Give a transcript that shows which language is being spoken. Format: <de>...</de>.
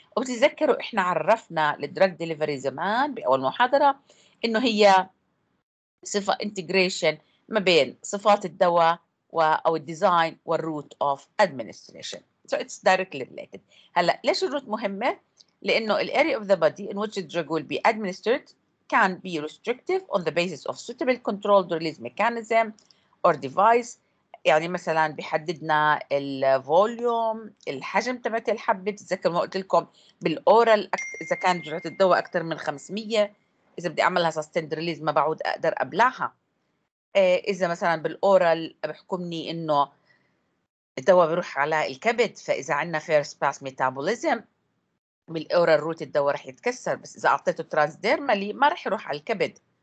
<ar>وبتتذكروا احنا عرفنا الدراج ديليفري زمان باول محاضره انه هي صفة integration ما بين صفات الدواء أو الديزاين والروت اوف administration.</ar> <en>So it's directly related.</en> <ar>هلأ ليش الروت مهمة؟ لأنه الـ</ar> <en>area of the body in which the drug will be administered can be restrictive on the basis of suitable controlled release mechanism or device.</en> <ar>يعني مثلا بيحددنا الـ volume, الحجم تبعت الحبة. تذكر ما قلت لكم بالأورال إذا كان جرعة الدواء أكثر من 500 إذا بدي أعملها sustained release ما بعود أقدر أبلعها. إذا مثلا بالأورال بحكمني إنه الدواء بيروح على الكبد, فإذا عندنا first pass metabolism بالأورال روت الدواء رح يتكسر, بس إذا أعطيته transdermally ما رح يروح على الكبد.</ar>